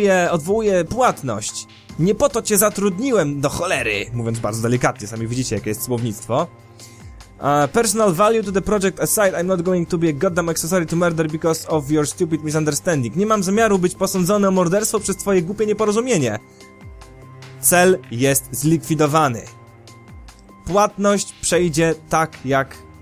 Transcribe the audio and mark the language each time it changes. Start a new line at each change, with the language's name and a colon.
Polish: Odwołuję płatność. Nie po to cię zatrudniłem, do cholery. Mówiąc bardzo delikatnie, sami widzicie, jakie jest słownictwo.
English: Personal value to the project aside, I'm not going to be a goddamn accessory to murder because of your stupid misunderstanding.
Polish: Nie mam zamiaru być posądzony o morderstwo przez twoje głupie nieporozumienie. Cel jest zlikwidowany. Płatność przejdzie tak, jak...